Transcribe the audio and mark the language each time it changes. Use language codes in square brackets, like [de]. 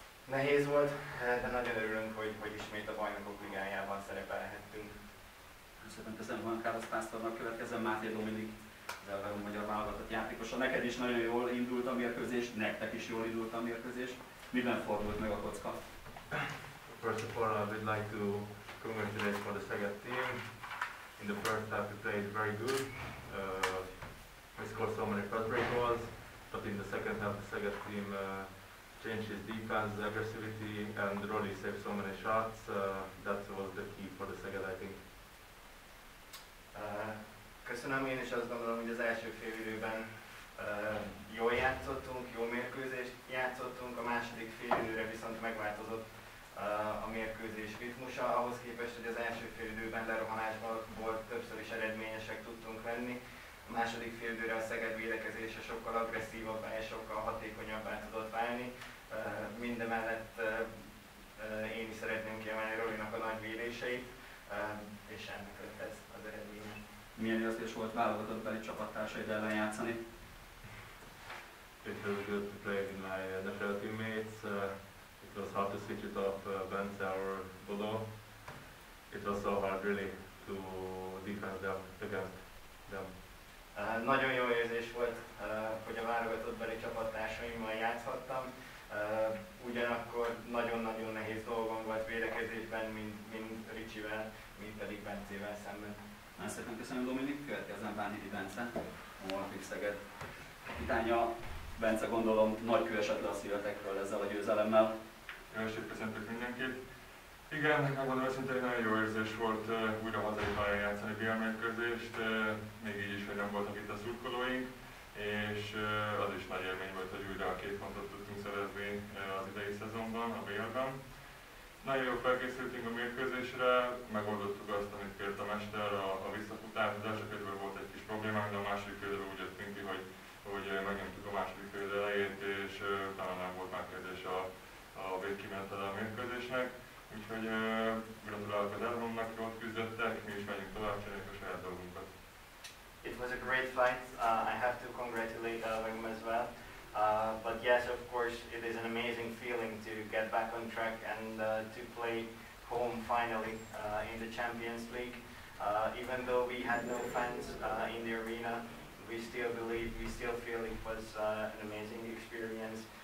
[hu] Nehéz volt, de nagyon örülünk, hogy ismét a Bajnokok Ligájában szerepelhettünk. Köszönöm szépen Juan Carlos Pásztornak, következzen Máté Dominik, az Elverum magyar válogatott játékosa. Neked is nagyon jól indult a mérkőzés, nektek is jól indult a mérkőzés. Miben fordult meg a kocka? [en] First of all, I would like to congratulate for the Szeged team. In the first half we played very good. We scored so many first break goals, but in the second half the Szeged team changed his defense, his aggressivity, and Rolly saved so many shots. That was the key for the Szeged, I think. [hu] Köszönöm, én is azt gondolom, hogy az első fél időben jól játszottunk, jó mérkőzést játszottunk, a második fél időre viszont megváltozott a mérkőzés ritmusa, ahhoz képest, hogy az első fél időben lerohanásban volt, többször is eredményesek tudtunk lenni. A második fél időre a Szeged védekezése sokkal agresszívabbá és sokkal hatékonyabbá tudott válni. Mindemellett én is szeretném kiemelni Rolinak a nagy védéseit, és ennek lett ez az eredmény. Milyen érzés volt válogatottbeli csapattársaid ellen játszani? [en] It was good to play with my NFL teammates. It was hard to switch it off Bence or Bodo. It was so hard really to defend them against them. [hu] Nagyon jó érzés volt, hogy a válogatottbeli csapattársaimmal játszhattam. Ugyanakkor nagyon-nagyon nehéz dolgom volt védekezésben, mint Ricsivel, mint pedig Bencével szemben. Nagyon szépen köszönöm, Dominik, következzen Bánhidi Bence, a Molnapik Szeged kapitánya. Bence, gondolom, nagy kő esett le a szívetekről ezzel a győzelemmel. Jó estét köszöntök mindenkit. Igen, megmondom őszintén, hogy nagyon jó érzés volt újra hazai pályán játszani BL-mérkőzést, még így is, hogy nem voltak itt a szurkolóink, és az is nagy élmény volt, hogy újra a két pontot tudtunk szerezni az idei szezonban, a BL-ben. Nagyon jól felkészültünk a mérkőzésre, megoldottuk azt, amit kért a mester, a visszafutás. Az első félidőben volt egy kis problémánk, de a második félidőben úgy jöttünk ki, hogy megnyomtuk a második félidő elejét, és talán nem volt már kérdés a végkimenetele a mérkőzésnek. Úgyhogy gratulálok az Elverumnak, jól küzdöttek, mi is megyünk tovább, csináljuk a saját dolgunkat. [en] It was a great fight, I have to congratulate Elverum as well. But yes, of course, it is an amazing feeling to get back on track and to play home finally in the Champions League. Even though we had no fans in the arena, we still feel it was an amazing experience.